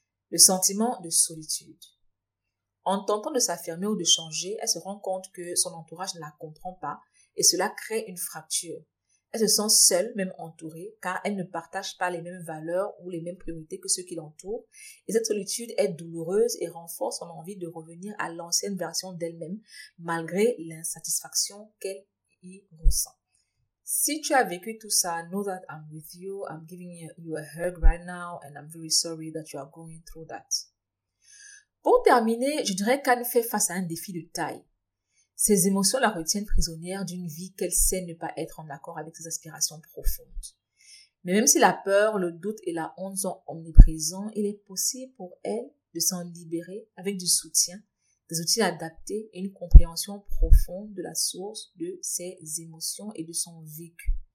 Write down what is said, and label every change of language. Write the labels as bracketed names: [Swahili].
[French] Le sentiment de solitude. En tentant de s'affirmer ou de changer, elle se rend compte que son entourage ne la comprend pas et cela crée une fracture. Elle se sent seule, même entourée, car elle ne partage pas les mêmes valeurs ou les mêmes priorités que ceux qui l'entourent. Et cette solitude est douloureuse et renforce son envie de revenir à l'ancienne version d'elle-même, malgré l'insatisfaction qu'elle y ressent. Si tu as vécu tout ça, [English] know that I'm with you, I'm giving you a hug right now and I'm very sorry that you are going through that. [French] Pour terminer, je dirais qu'Anne fait face à un défi de taille. Ses émotions la retiennent prisonnière d'une vie qu'elle sait ne pas être en accord avec ses aspirations profondes. Mais même si la peur, le doute et la honte sont omniprésents, il est possible pour elle de s'en libérer avec du soutien, des outils adaptés et une compréhension profonde de la source de ses émotions et de son vécu.